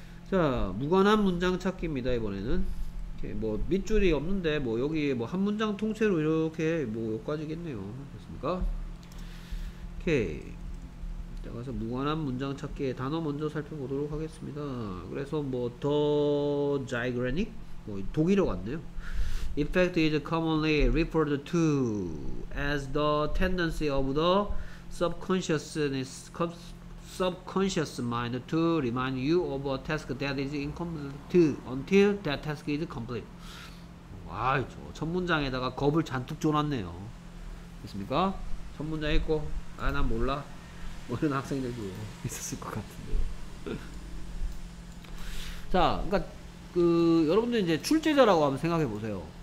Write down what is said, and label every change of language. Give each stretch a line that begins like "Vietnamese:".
Korean: 자, 무관한 문장 찾기입니다. 이번에는 뭐 밑줄이 없는데 뭐 여기 뭐 한 문장 통째로 이렇게 뭐 여기까지겠네요. 알겠습니까? 오케이. 자, 가서 무관한 문장 찾기의 단어 먼저 살펴보도록 하겠습니다. 그래서 뭐 더 자이그레닉 뭐 독일어 같네요.
English: Effect is commonly referred to as the tendency of the subconscious mind to remind you of a task that is incomplete until that task is complete.
Korean: 와, 저 첫 문장에다가 겁을 잔뜩 줘놨네요. 있습니까? 첫 문장 있고, 아, 난 몰라. 뭐 이런 학생들도 있었을 것 같은데. 자, 그러니까 그 여러분들 이제 출제자라고 한번 생각해 보세요.